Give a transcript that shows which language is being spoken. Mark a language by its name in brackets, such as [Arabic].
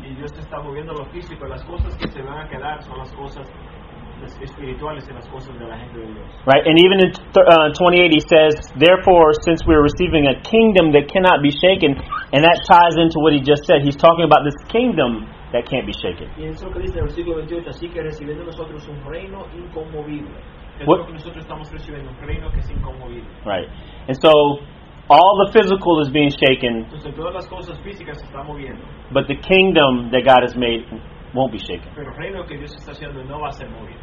[Spanish] Y Dios está moviendo lo físico, las cosas que se van a quedar son las cosas espirituales y las cosas de la gente de Dios. [English] Right, and even in 28 he says, therefore, since we're receiving a kingdom that cannot be shaken, and that ties into what he just said. He's talking about this kingdom that can't be shaken. [Spanish] Y eso que dice en el versículo 28, así que recibiendo nosotros un reino inconmovible. [English] Right. And so all the physical is being shaken. [Spanish] Entonces, todas las cosas físicas se están moviendo. [English] But the kingdom that God has made won't be shaken. [Spanish] Pero el reino que Dios está haciendo no va a ser movido.